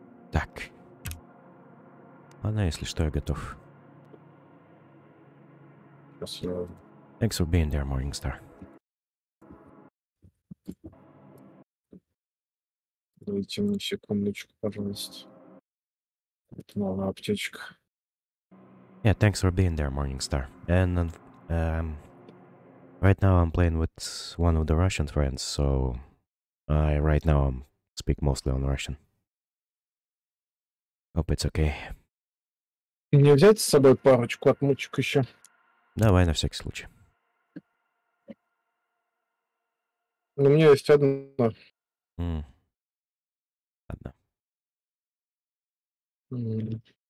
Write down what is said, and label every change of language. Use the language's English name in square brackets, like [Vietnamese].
[Russian] Так. Ладно, если что, я готов. Сейчас я... [English] Thanks for being there, Morningstar. [Russian] Дайте мне секундочку, пожалуйста. Это новая аптечка. [English] Yeah, thanks for being there, Morningstar. And right now I'm playing with one of the Russian friends, so I right now I'm speak mostly on Russian. Hope it's okay. [Russian] Мне взять с собой парочку отмычек еще? Давай, на всякий случай. У меня есть одна. Mm. Ладно.